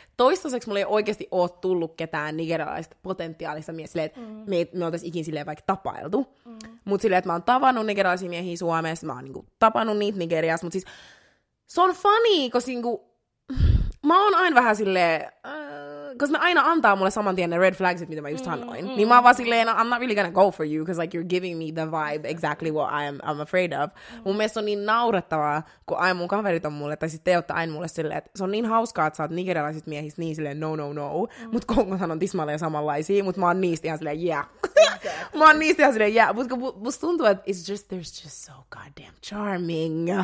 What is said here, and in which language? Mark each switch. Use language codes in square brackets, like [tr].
[fi] Toistaiseksi mulla ei oikeasti ole tullut ketään nigerialaista potentiaalista miehiä silleen, että me oltaisiin ikinä silleen vaikka tapailtu. Mutta silleen, että mä oon tavannut nigerialaisia miehiä Suomessa, mä oon niinku tapannut niitä Nigeriassa, mutta siis se on funny, koska niinku... Mä oon aina vähän silleen, koska ne aina antaa mulle saman tien ne red flagsit, mitä mä just sanoin. Niin mä oon vaan silleen, [en] I'm not really gonna go for you, because like you're giving me the vibe exactly what I'm afraid of. [fi] Mun mielestä on niin naurettavaa, kun aina mun kaverit on mulle, tai sitten te ootte aina mulle silleen, että se on niin hauskaa, että sä oot nigerialaisista miehistä niin silleen no. Mut Kongothan on tismalleen samanlaisia, mut mä oon niistä ihan silleen yeah. Mä oon niistä ihan silleen yeah, mut kun musta tuntuu, että [en] it's just, there's just so goddamn charming. Oh